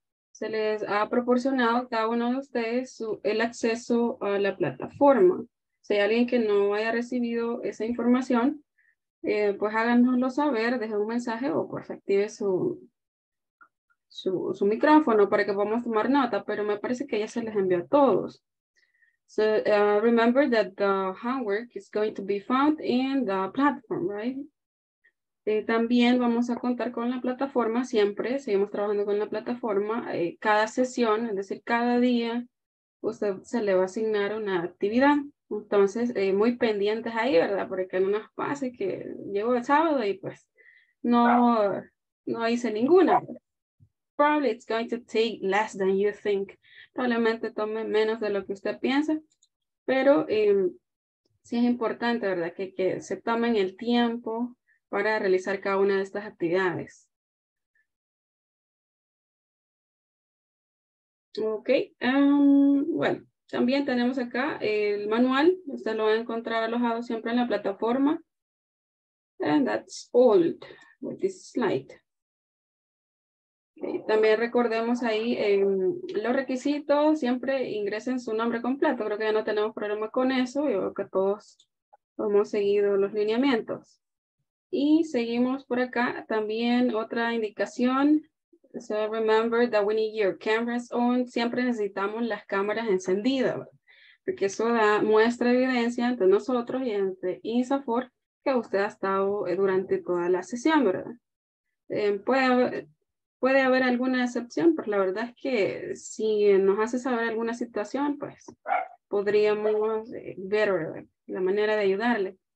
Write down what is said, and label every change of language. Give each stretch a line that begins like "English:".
Spanish: Se les ha proporcionado a cada uno de ustedes el acceso a la plataforma. Si hay alguien que no haya recibido esa información, pues háganoslo saber, dejen un mensaje o pues active su micrófono para que podamos tomar nota, pero me parece que ya se les envió a todos.
English: So remember that the homework is going to be found in the platform, right?
Spanish: También vamos a contar con la plataforma, siempre seguimos trabajando con la plataforma. Cada sesión, es decir, cada día, usted se le va a asignar una actividad. Entonces, muy pendientes ahí, ¿verdad? Porque no nos pase que llegó el sábado y pues no hice ninguna.
English: Probably it's going to take less than you think.
Spanish: Probablemente tome menos de lo que usted piensa, pero sí es importante, ¿verdad? Que se tomen el tiempo para realizar cada una de estas actividades. Ok, bueno, también tenemos acá el manual. Usted lo va a encontrar alojado siempre en la plataforma.
English: And that's all with this slide.
Spanish: También recordemos ahí los requisitos, siempre ingresen su nombre completo. Creo que ya no tenemos problema con eso. Yo creo que todos hemos seguido los lineamientos. Y seguimos por acá. También otra indicación.
English: So remember that we need your cameras on.
Spanish: Siempre necesitamos las cámaras encendidas, ¿verdad? Porque eso da muestra de evidencia entre nosotros y entre INSAFOR que usted ha estado durante toda la sesión, ¿verdad? Puede haber alguna excepción, pero la verdad es que si nos hace saber alguna situación, pues podríamos ver la manera de ayudarle.